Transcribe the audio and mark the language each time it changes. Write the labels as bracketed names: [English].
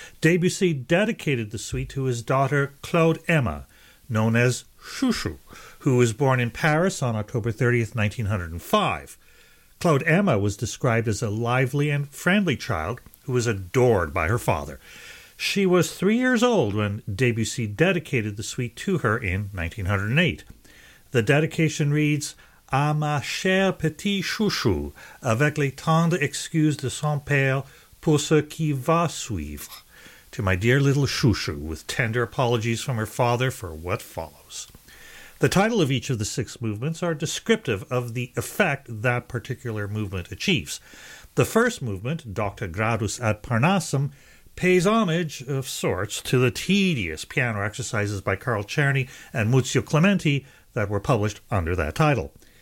[English] Debussy dedicated the suite to his daughter Claude Emma, known as Chouchou, who was born in Paris on October 30th, 1905. Claude Emma was described as a lively and friendly child who was adored by her father. She was 3 years old when Debussy dedicated the suite to her in 1908. The dedication reads, [French] "À ma chère petite chouchou, avec les tendres excuses de son père pour ce qui va suivre." [English] To my dear little chouchou, with tender apologies from her father for what follows. The title of each of the six movements are descriptive of the effect that particular movement achieves. The first movement, Dr. Gradus ad Parnassum, pays homage, of sorts, to the tedious piano exercises by Carl Czerny and Muzio Clementi that were published under that title.